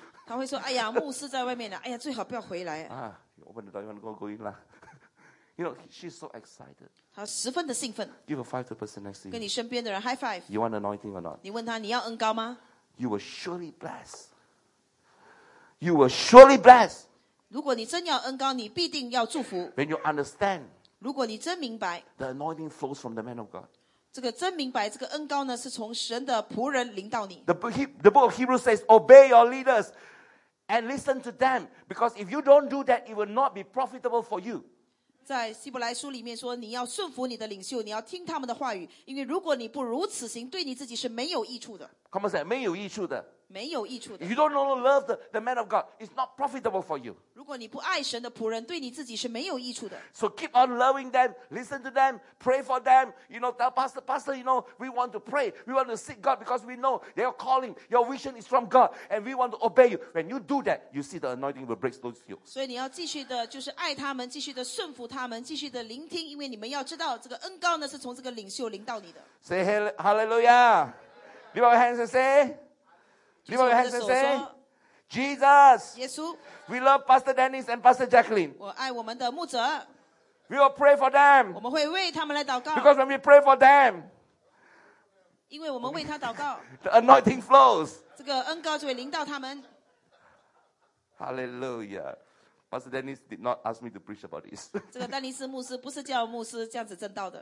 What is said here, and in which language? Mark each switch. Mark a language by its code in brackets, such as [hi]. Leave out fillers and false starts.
[zh] 他会说，哎呀，牧师在外面呢，哎呀，最好不要回来。 [en] 啊 ，open the door, you want to go in lah. You know she's so excited. [zh] 他十分的兴奋。 [en] Give a five to the person next to you. [zh] 跟你身边的人 [en] high five. You want anointing or not? [zh] 你问他你要恩膏吗 [en] ？You will surely bless. You will surely bless. [zh] 如果你真要恩膏，你必定要祝福。 [en] When you understand, [zh] 如果你真明白 [en] ，the anointing flows from the man of God. [zh] 这个真明白，这个恩膏呢，是从神的仆人临到你。 [en] The book of Hebrews says, "Obey your leaders and listen to them, because if you don't do that, it will not be profitable for you." [zh] 在希伯来书里面说，你要顺服你的领袖，你要听他们的话语，因为如果你不如此行，对你自己是没有益处的。 [en] Come on, say, [zh] 没有益处的。没有益处的。 [en] If you don't know love the man of God, it's not profitable for you. [zh] 如果你不爱神的仆人，对你自己是没有益处的。 [en] So keep on loving them, listen to them, pray for them. You know, tell pastor, you know, we want to pray, we want to seek God because we know your calling, your vision is from God, and we want to obey you. When you do that, you see the anointing will break through you. [zh] 所以你要继续的，就是爱他们，继续的顺服他们，继续的聆听，因为你们要知道这个恩膏呢是从这个领袖临到你的。 [en] Say hallelujah. Lift up your hands and say. Lift up your hands and say, Jesus, we love Pastor Dennis and Pastor Jacqueline. [zh] 我爱我们的牧者。 [en] We will pray for them. [zh] 我们会为他们来祷告。 [en] Because when we pray for them, [zh] 因为我们为他祷告。 [en] The anointing flows. [zh] 这个恩膏就会临到他们。 [en] Hallelujah. Pastor Dennis did not ask me to preach about this. [zh] 这个丹尼斯牧师不是叫牧师这样子证道的。